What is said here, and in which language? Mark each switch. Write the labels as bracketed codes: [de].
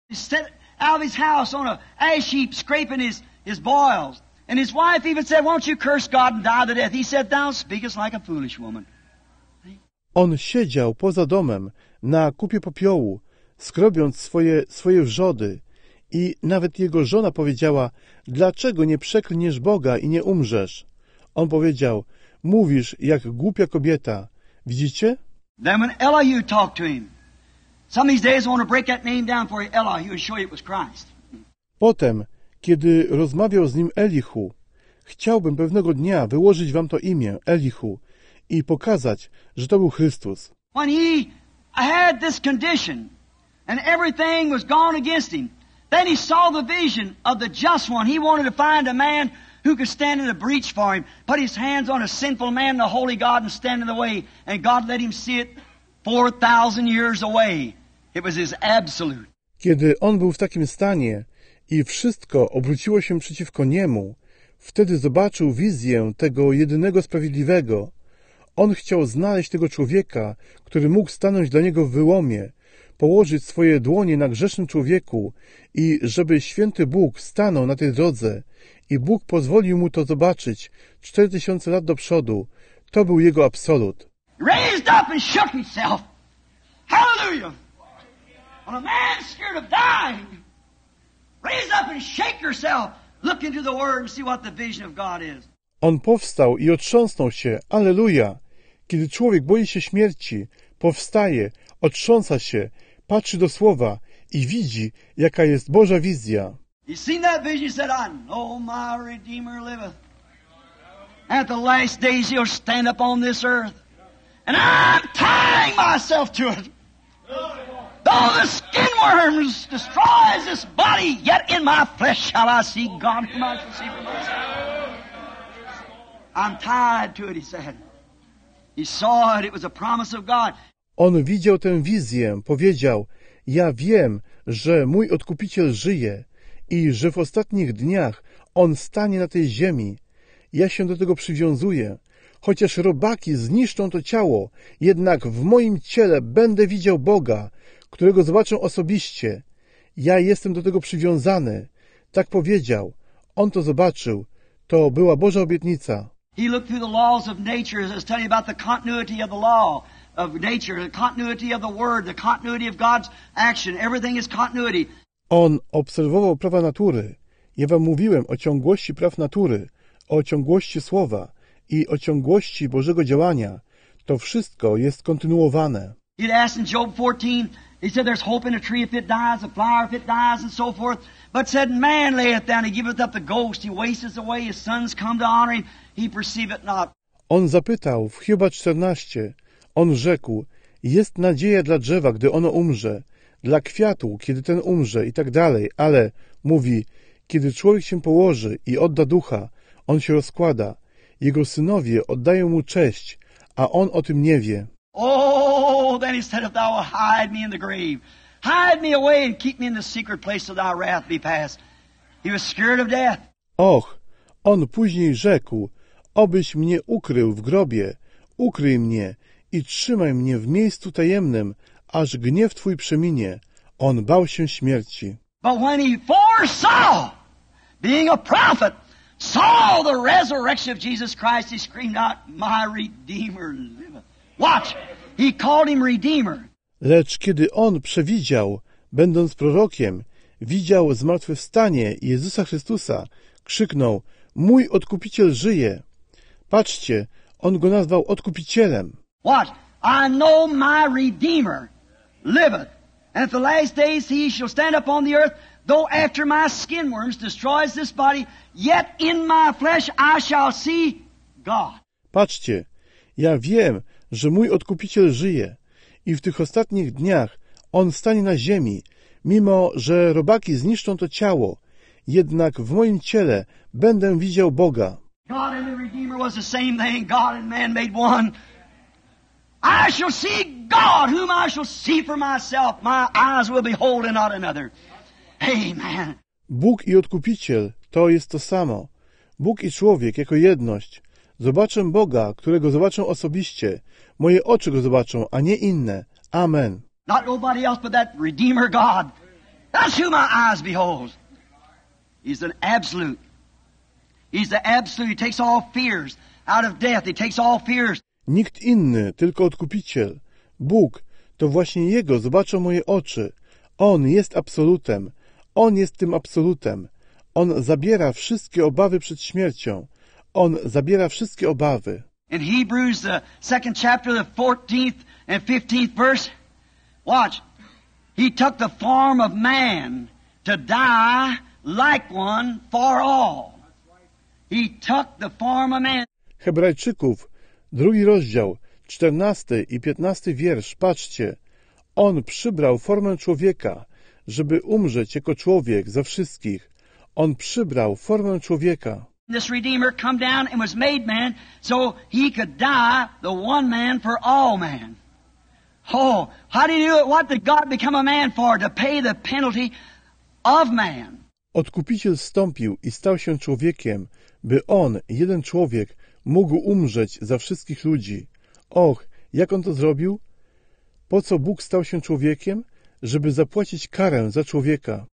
[en] Instead, out of his house on an ash heap scraping his boils. And his wife even said, won't you curse God and die to death? He said, thou speakest like a foolish woman. [pl] On siedział poza domem, na kupie popiołu, skrobiąc swoje wrzody. I nawet jego żona powiedziała, dlaczego nie przeklniesz Boga i nie umrzesz? On powiedział, mówisz jak głupia kobieta. Widzicie? [en] Then when Elihu talked to him, some of these days I want to break that name down for you, Elihu, and show you it was Christ. [pl] Potem, kiedy rozmawiał z nim Elihu, chciałbym pewnego dnia wyłożyć wam to imię, Elihu, i pokazać, że to był Chrystus. [en] When he had this condition, and everything was gone against him, then he saw the vision of the just one. He wanted to find a man who could stand in the breach for him, put his hands on a sinful man, the holy God, and stand in the way. And God let him see it 4,000 years away. It was his absolute. [pl] Kiedy on był w takim stanie i wszystko obróciło się przeciwko niemu, wtedy zobaczył wizję tego jedynego sprawiedliwego. On chciał znaleźć tego człowieka, który mógł stanąć dla niego w wyłomie, położyć swoje dłonie na grzesznym człowieku i żeby święty Bóg stanął na tej drodze i Bóg pozwolił mu to zobaczyć 4000 lat do przodu. To był jego absolut. [en] Raised up and shook himself. Hallelujah. On a man scared of dying. Raise up and shake yourself. Look into the word and see what the vision of God is. [pl] On powstał i otrząsnął się. Alleluja. Kiedy człowiek boi się śmierci, powstaje, otrząsa się, patrzy do słowa i widzi, jaka jest Boża wizja. [en] He seen that vision, said, I know my Redeemer liveth. At the last days he'll stand up on this earth. And I'm tying myself to it. Though the skin worms destroys this body, yet in my flesh shall I see God whom I shall see for myself. I'm tied to it, he said. He saw it, it was a promise of God. [pl] On widział tę wizję, powiedział, ja wiem, że mój Odkupiciel żyje i że w ostatnich dniach On stanie na tej ziemi. Ja się do tego przywiązuję. Chociaż robaki zniszczą to ciało, jednak w moim ciele będę widział Boga, którego zobaczę osobiście. Ja jestem do tego przywiązany. Tak powiedział. On to zobaczył. To była Boża obietnica. [en] He looked through the laws of nature as I was telling you about the continuity of the law. Of nature, the continuity of the word, the continuity of God's action. Everything is continuity. [pl] On obserwował prawa natury. Ja wam mówiłem o ciągłości praw natury, o ciągłości słowa i o ciągłości Bożego działania. To wszystko jest kontynuowane. [en] He asked in Job 14, he said, there's hope in a tree if it dies, a flower if it dies, and so forth. But said, man layeth down, he giveth up the ghost, he wastes away, his sons come to honor him, he perceiveth not. [pl] On zapytał w Hioba 14, on rzekł, jest nadzieja dla drzewa, gdy ono umrze, dla kwiatu, kiedy ten umrze i tak dalej, ale, mówi, kiedy człowiek się położy i odda ducha, on się rozkłada, jego synowie oddają mu cześć, a on o tym nie wie. [en] Oh, then he said, if thou wilt hide me in the grave, hide me away and keep me in the secret place till thy wrath be past. He was scared of death. [pl] Och, on później rzekł, obyś mnie ukrył w grobie, ukryj mnie, i trzymaj mnie w miejscu tajemnym, aż gniew Twój przeminie. On bał się śmierci. [en] But when he foresaw, being a prophet, saw the resurrection of Jesus Christ, he screamed out, my Redeemer liveth. Watch, he called him Redeemer. [pl] Lecz kiedy on przewidział, będąc prorokiem, widział zmartwychwstanie Jezusa Chrystusa, krzyknął, mój Odkupiciel żyje. Patrzcie, on go nazwał Odkupicielem. [en] Watch, I know my Redeemer liveth, and at the last days he shall stand up on the earth, though after my skin worms destroys this body, yet in my flesh I shall see God. [pl] Patrzcie, ja wiem, że mój Odkupiciel żyje i w tych ostatnich dniach on stanie na ziemi, mimo że robaki zniszczą to ciało, jednak w moim ciele będę widział Boga. [en] God and the Redeemer was the same thing, God and man made one. I shall see God, whom I shall see for myself. My eyes will behold and not another. Amen. [pl] Bóg i Odkupiciel to jest to samo. Bóg i człowiek jako jedność. Zobaczę Boga, którego zobaczę osobiście. Moje oczy go zobaczą, a nie inne. Amen. [en] Not nobody else but that Redeemer God. The That's who my eyes behold. He's an absolute. He's the absolute. He takes all fears out of death. He takes all fears. [pl] Nikt inny, tylko Odkupiciel. Bóg, to właśnie Jego zobaczą moje oczy. On jest absolutem. On jest tym absolutem. On zabiera wszystkie obawy przed śmiercią. On zabiera wszystkie obawy. [en] In Hebrews, the second chapter, the 14th and 15th verse, watch. He took the form of man to die like one for all. He took the form of man. [pl] Hebrajczyków, drugi rozdział, 14 i 15 wiersz, patrzcie. On przybrał formę człowieka, żeby umrzeć jako człowiek za wszystkich. On przybrał formę człowieka. [en] This Redeemer come down and was made man so he could die the one man for all man. Oh, how did he do it? What did God become a man for? To pay the penalty of man. [pl] Odkupiciel zstąpił i stał się człowiekiem, by on, jeden człowiek, mógł umrzeć za wszystkich ludzi. Och, jak on to zrobił? Po co Bóg stał się człowiekiem? Żeby zapłacić karę za człowieka.